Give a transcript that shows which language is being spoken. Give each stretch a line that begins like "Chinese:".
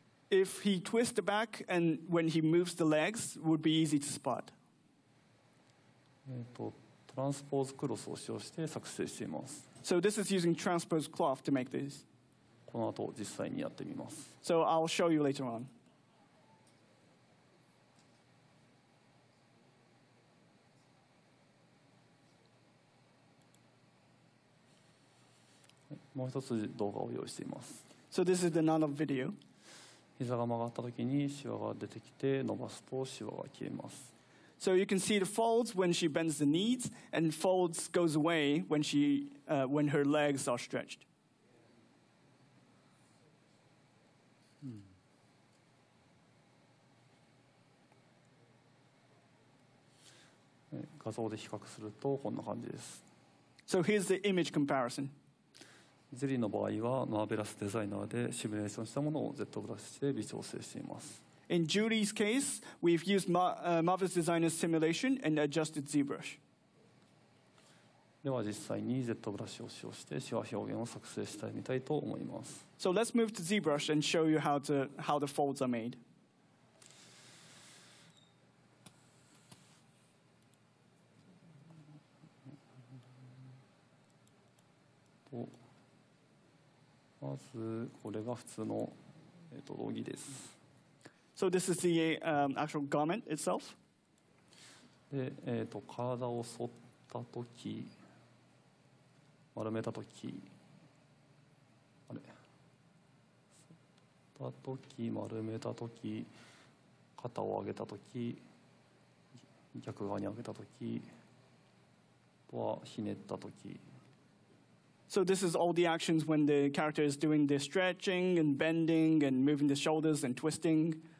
English: If he twists the back and when he moves the legs, would be easy to spot.
Japanese: トランスポーズクロスを使用して作成しています。
English: So this is using transpose cloth to make this.
Japanese: この後実際にやってみます。
English: So I'll show you later on.
Japanese: もう一つ動画を用意しています。
English: So this is another video.
Japanese: 膝が曲がった時にシワが出てきて伸ばすとシワが消えます。
English: So you can see the folds when she bends the knees, and folds goes away when her legs are stretched.
Japanese: Hmm. 画像で比較するとこんな感じです。
English: So here's the image comparison.
Japanese: ゼリーの場合はマーベラスデザイナーでシミュレーションしたものを ZBrush で微調整しています。
English: In Julie's case, we've used Marvelous Designer's simulation and adjusted ZBrush.
Japanese: では実際に ZBrush を使用してシワ表現を作成してみたいと思います。
English: So let's move to ZBrush and show you how the folds are made.
Japanese: まずこれが普通の道着です。
English: So this is the actual garment itself.
Japanese: で、体を反ったとき、丸めたとき、あれ、反ったとき、丸めたとき、肩を上げたとき、逆側に上げたとき、あとはひねったとき。
English: So this is all the actions when the character is doing the stretching and bending and moving the shoulders and twisting.